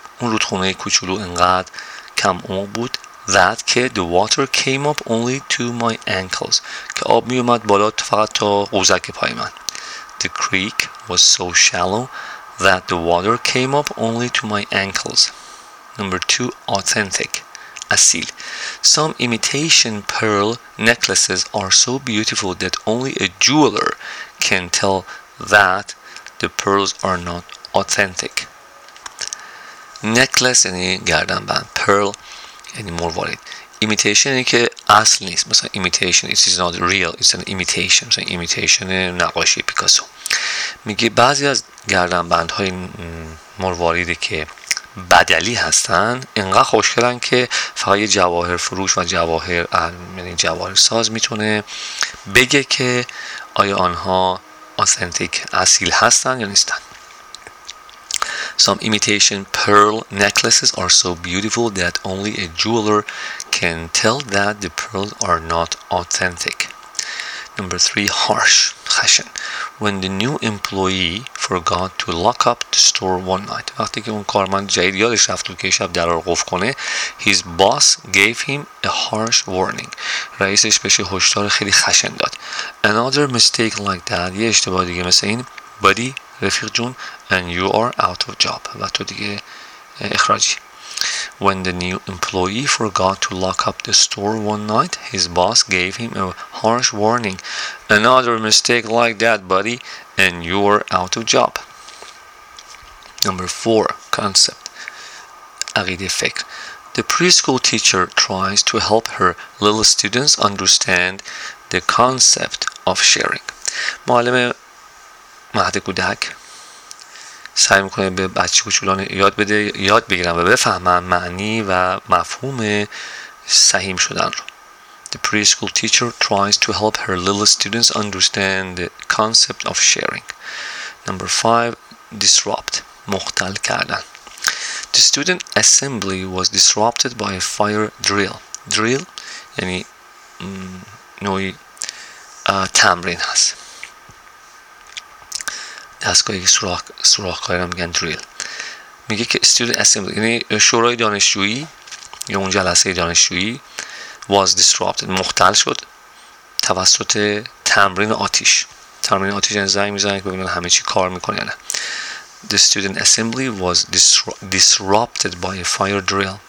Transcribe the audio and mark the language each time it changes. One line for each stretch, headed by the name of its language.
Persian: اون رودخونه کوچولو انقدر کم عمق بود.
English: That که the water came up only to my ankles.
Persian: که آب می اومد بالا فقط تا قوزک پای من.
English: The creek was so shallow that the water came up only to my ankles. Number two, authentic. اصیل. Some imitation pearl necklaces are so beautiful that only a jeweler can tell that the pearls are not authentic.
Persian: Necklace یعنی گردنبند. Pearl یعنی مروارید. Imitation یعنی که اصل نیست.
English: مثلا imitation. It is not real. It's an imitation. مثلا imitation
Persian: نقاشی پیکاسو. میگه بعضی از گردنبندهای مروارید که بدلی هستن انقدر خوشگلن که فقط جواهر فروش و جواهر یعنی جواهر ساز میتونه بگه که آیا آنها اوثنتیک اصیل هستن یا نیستن.
English: Some imitation pearl necklaces are so beautiful that only a jeweler can tell that the pearls are not authentic. Number 3, harsh, خشن. When the new employee forgot to lock up the store one night.
Persian: وقتی که اون کارمند جدید یادش رفت که شب در رو قفل کنه.
English: His boss gave him a harsh warning.
Persian: رئیسش بهش هشدار خیلی خشن داد.
English: Another mistake like that.
Persian: یه اشتباه دیگه مثل این.
English: Buddy,
Persian: رفیق جون,
English: and you are out of job.
Persian: و تو دیگه اخراجی.
English: When the new employee forgot to lock up the store one night, his boss gave him a harsh warning. Another mistake like that, buddy, and you're out of job. Number 4, concept. عقیده فکر. The preschool teacher tries to help her little students understand the concept of sharing.
Persian: معلم مهد کودک سعی میکنه به بچه کوچولان یاد بگیرن و بفهمن معنی و مفهوم سهیم شدن رو.
English: The preschool teacher tries to help her little students understand the concept of sharing. Number 5, disrupt,
Persian: مختل کردن.
English: The student assembly was disrupted by a fire drill.
Persian: Drill یعنی نوعی تمرین هست. دستگاهی سوراخ کاری رو میگن دریل. میگه که student assembly یعنی شورای دانشجویی یا اون جلسه دانشجویی
English: was disrupted,
Persian: مختل شد توسط تمرین آتیش. تمرین آتیش یعنی زنگ میزنن که ببینن همه چی کار میکنه یا نه.
English: The student assembly was disrupted by a fire drill.